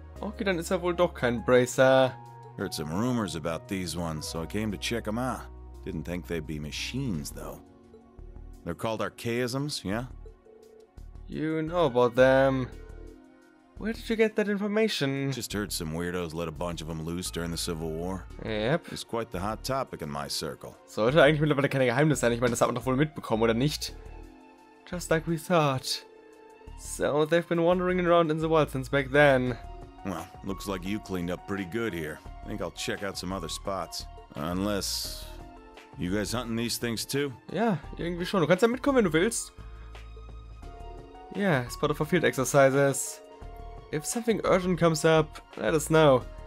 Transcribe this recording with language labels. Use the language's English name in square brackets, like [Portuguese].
[German] Okay, dann ist er wohl doch kein Bracer. [English] Heard some rumors about these ones, so I came to check them out. Didn't think they'd be machines, though. They're called archaisms, yeah? You know about them. Where did you get that information? Just heard some weirdos let a bunch of them loose during the Civil War. Yep. It's quite the hot topic in my circle. [German] Sollte eigentlich mittlerweile keine Geheimnis sein. Ich meine, das hat man doch wohl mitbekommen, oder nicht? [English] Just like we thought. So, they've been wandering around in the wild since back then. Well, looks like you cleaned up pretty good here. I think I'll check out some other spots. Unless... You guys hunting these things too? [German] Ja, irgendwie schon. Du kannst ja mitkommen, wenn du willst. [English] Yeah, it's part of our field exercises. If something urgent comes up, let us know.